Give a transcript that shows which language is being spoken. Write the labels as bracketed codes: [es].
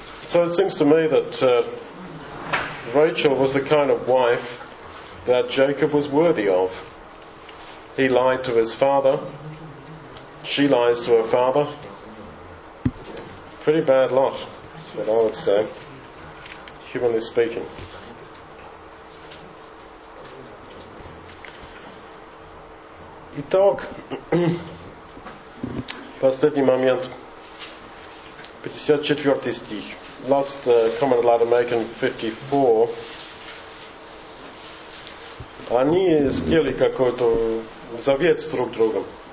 [en] So it seems to me that Rachel was the kind of wife that Jacob was worthy of. He lied to his father. She lies to her father. Pretty bad lot, but I would say, humanly speaking. [ru] Итак, последний момент, 54 стих. [en] Last comment I'd like to make in 54. [ru] Они сделали какой-то завет с друг другом.